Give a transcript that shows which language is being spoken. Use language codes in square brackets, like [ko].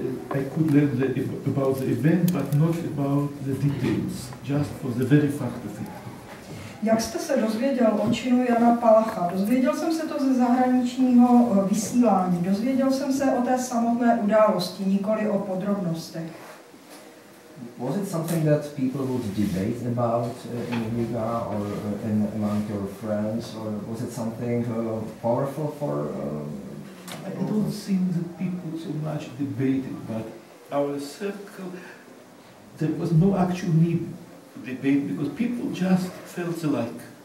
[en] I could learn about the event, but not about the details, just for the very fact of it. [cs] Jak jste se dozvěděl o činu Jana Palacha? Dozvěděl jsem se to ze zahraničního vysílání. Dozvěděl jsem se o té samotné události, nikoli o podrobnostech. [en] Was it something that people would debate about in Riga or in among your friends, or was it something powerful for? I don't see the people so much debated, but our circle, there was no actual need to debate because people just felt alike.